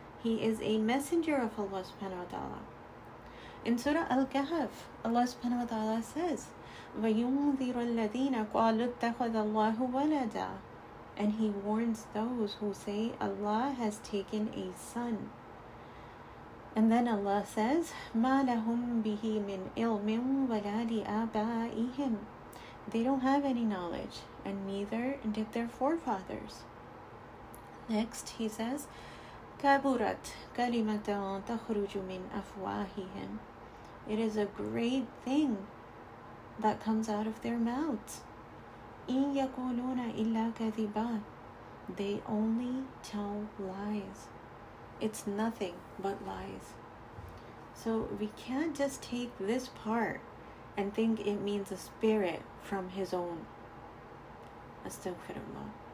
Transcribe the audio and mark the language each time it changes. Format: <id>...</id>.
<en>He is a messenger of Allah subhanahu wa ta'ala. In Surah Al-Kahf, Allah subhanahu wa ta'ala says,</en> <ar>وَيُنذِرُ الَّذِينَ قَالُوا اتَّخَذَ اللَّهُ وَلَدًا,</ar> <en>and He warns those who say Allah has taken a son. And then Allah says,</en> <ar>مَا لَهُمْ بِهِ مِنْ إِلْمٍ وَلَا لِآبَائِهِمْ,</ar> <en>they don't have any knowledge and neither did their forefathers. Next, he says,</en> <ar>كَبُرَتْ كَلِمَةً تَخْرُجُ مِنْ أَفْوَاهِهِمْ.</ar> <en>It is a great thing that comes out of their mouths.</en> <ar>إِنْ يَقُولُونَ إِلَّا كَذِبًا.</ar> <en>They only tell lies. It's nothing but lies. So we can't just take this part and think it means a spirit from his own. Astaghfirullah.</en>